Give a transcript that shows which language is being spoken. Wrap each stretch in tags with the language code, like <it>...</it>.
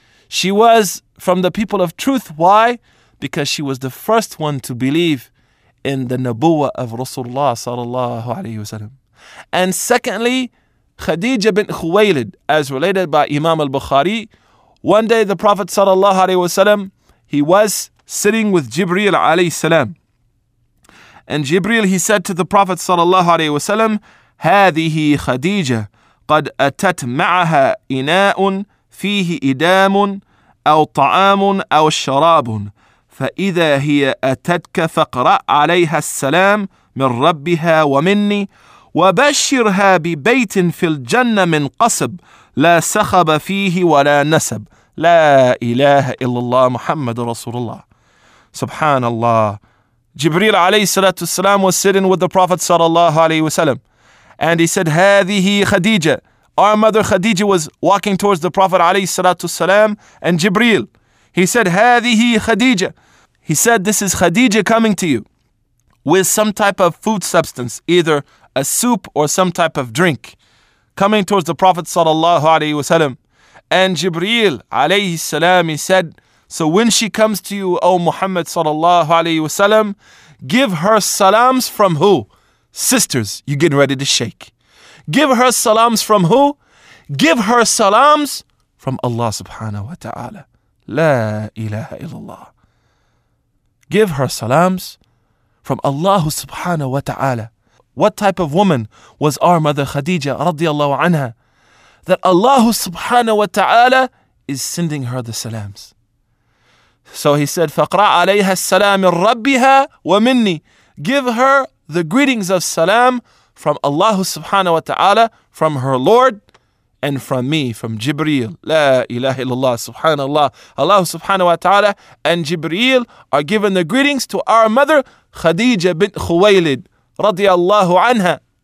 <en>She was from the people of truth. Why? Because she was the first one to believe in the nabuwah of Rasulullah sallallahu alayhi wasallam. And secondly, Khadija bin Khuwaylid, as related by Imam al-Bukhari, one day the Prophet sallallahu alayhi wasallam, he was sitting with Jibreel alayhi salam. And Jibreel, he said to the Prophet sallallahu alayhi wasallam,</en> <ar>هَذِهِ خَدِيجَةٌ قَدْ أَتَتْ مَعَهَا إِنَاءٌ فِيهِ إِدَامٌ أَوْ طَعَامٌ أَوْ شَرَابٌ فَإِذَا هِيَ أَتَتْكَ فَقْرَأْ عَلَيْهَا السَّلَامُ مِنْ رَبِّهَا وَمِنِّي وَبَشِّرْهَا بِبَيْتٍ فِي الْجَنَّةِ مِنْ قَصَبٍ لَا سَخَبَ فِيهِ وَلَا نَسَبٍ لَا إِلَهَ إِلَّا اللَّهُ مُحَمَّدٌ رَسُولُ اللَّهِ سُبْحَانَ اللَّهِ.</ar> <en>Jibreel alayhi salatu wasalam was sitting with the Prophet sallallahu alayhi wasalam, and he said,</en> <ar>هَذِهِ خَدِيجَةٌ.</ar> <en>Our mother Khadija was walking towards the Prophet alayhi salatu wasalam and Jibreel. He said,</en> <ar>هَذِهِ خَدِيجَةٌ.</ar> <en>He said, this is Khadija coming to you with some type of food substance, either a soup or some type of drink, coming towards the Prophet sallallahu alayhi wasalam. And Jibreel alayhi salam, he said, so when she comes to you, O Muhammad sallallahu alayhi wasalam, give her salams from who? Sisters, you're getting ready to shake. Give her salams from who? Give her salams from Allah subhanahu wa ta'ala. La ilaha illallah. Give her salams from Allah subhanahu wa ta'ala. What type of woman was our mother Khadija radiallahu anha? That Allah subhanahu wa ta'ala is sending her the salams. So he said,</en> <ar>فَقْرَعْ عَلَيْهَا السَّلَامِ رَبِّهَا وَمِنِّي.</ar> <en>Give her the greetings of salam from Allah subhanahu wa ta'ala, from her Lord, and from me, from Jibreel. La ilaha illallah, subhanallah. Allah subhanahu wa ta'ala and Jibreel are given the greetings to our mother, Khadija bint Khuwaylid, radiallahu anha.</en>